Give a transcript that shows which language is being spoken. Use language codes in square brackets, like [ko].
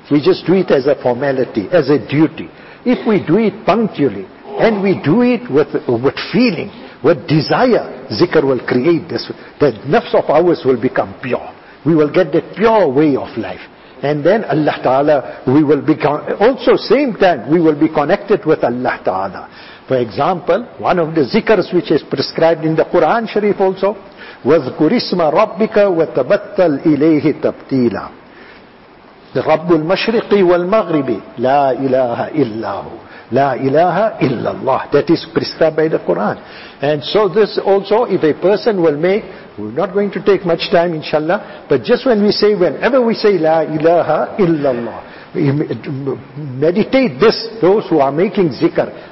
[en] We just do it as a formality, as a duty. If we do it punctually, and we do it with feeling, with desire, zikr will create this. The nafs of ours will become pure. We will get the pure way of life. And then Allah Ta'ala, we will be, also same time, we will be connected with Allah Ta'ala. For example, one of the zikrs which is prescribed in the Quran Sharif also, [ar] وَذْكُرِ اسْمَ رَبِّكَ وَتَبَتَّلْ إِلَيْهِ تَبْتِيلًا. The رَبُّ الْمَشْرِقِ وَالْمَغْرِبِ لَا إِلَهَ إِلَّا هُ. La ilaha illallah. [en] That is prescribed by the Quran. And so this also, if a person will make, we're not going to take much time inshallah, but just when we say, whenever we say La ilaha illallah, meditate this, those who are making zikr.